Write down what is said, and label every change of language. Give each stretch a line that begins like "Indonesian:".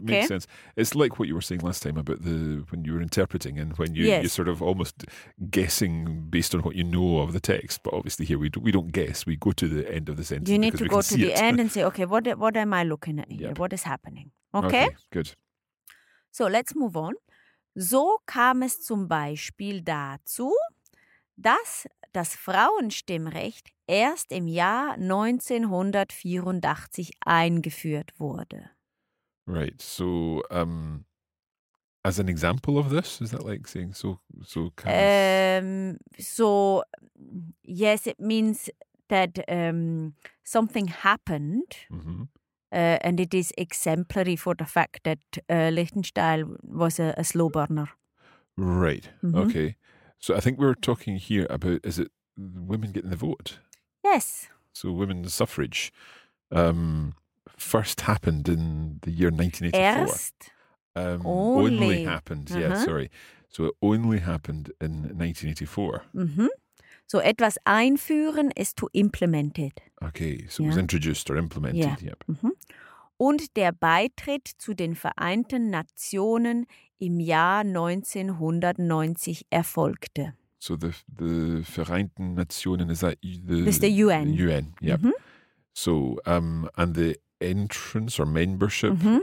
English: makes sense. It's like what you were saying last time about the when you were interpreting and when you, yes. you're sort of almost guessing based on what you know of the text. But obviously here we don't guess. We go to the end of the sentence. You need to we go to the it. End and say, okay, what am I looking at here? Yep. What is happening? Okay? Okay, good. So let's move on.
German: So kam es zum Beispiel dazu, dass das Frauenstimmrecht erst im Jahr 1984 eingeführt wurde.
English: Right, so as an example of this, is that like saying so kind of... So, yes, it means that something happened mm-hmm. And it is exemplary for the fact that Liechtenstein was a slow burner. Right, mm-hmm. okay. So I think we're talking here about, is it women getting the vote? Yes. So women's suffrage first happened in the year 1984. Erst? Only. Only happened, uh-huh. yeah, sorry. So it only happened in 1984. Mm-hmm. So
German: etwas einführen
English: is to implement it. Okay, so yeah. it was introduced or implemented, yeah. yep. Mm-hmm.
German: Und der Beitritt zu den Vereinten Nationen im Jahr 1990 erfolgte.
English: So the Vereinten Nationen, is that the... It's the UN. The UN, yeah. Mm-hmm. So, and the entrance or membership mm-hmm.